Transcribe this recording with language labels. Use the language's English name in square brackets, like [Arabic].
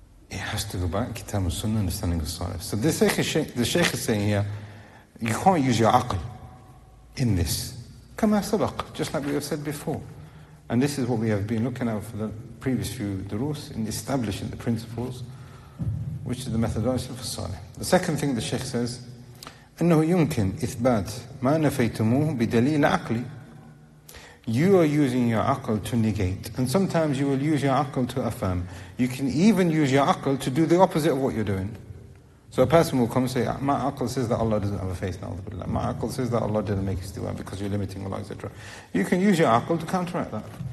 [English] It has to go back, Kitab and Sunnah, understanding of Salaf. So the Shaykh is saying here, you can't use your aql in this. Kama sabaq, just like we have said before. And this is what we have been looking at for the previous few durus in establishing the principles, which is the methodology of Salih. The second thing the Shaykh says, [Arabic] أَنَّهُ يُمْكِنْ إِثْبَاتْ مَا نَفَيْتُمُوهُ بِدَلِيلَ عَقْلِ. [English] You are using your aql to negate, and sometimes you will use your aql to affirm. You can even use your aql to do the opposite of what you're doing. So a person will come and say, "My aql says that Allah doesn't have a face now. My aql says that Allah didn't make his dua because you're limiting Allah, etc." You can use your aql to counteract that.